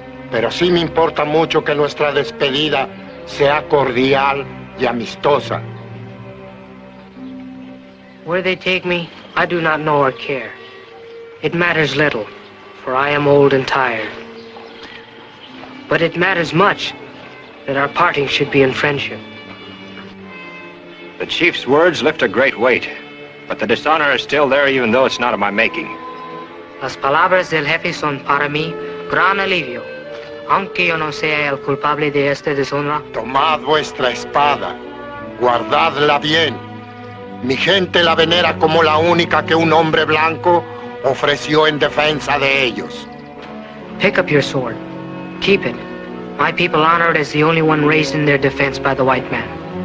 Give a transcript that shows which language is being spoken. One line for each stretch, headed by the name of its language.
Spanish: Pero sí me importa mucho que nuestra despedida sea cordial y amistosa.
English: Where they take me, I do not know or care. It matters little, for I am old and tired. But it matters much that our parting should be in friendship. The chief's words lift a great weight, but the dishonor is still there even though it's not of my making.
Spanish: Las palabras del jefe son para mí gran alivio, aunque yo no sea el culpable de esta deshonra. Tomad vuestra espada, guardadla bien. Mi gente la venera como la única que un hombre blanco ofreció en defensa de ellos.
English: Pick up your sword. Keep it. My people honored as the only one raised in their defense by the white man.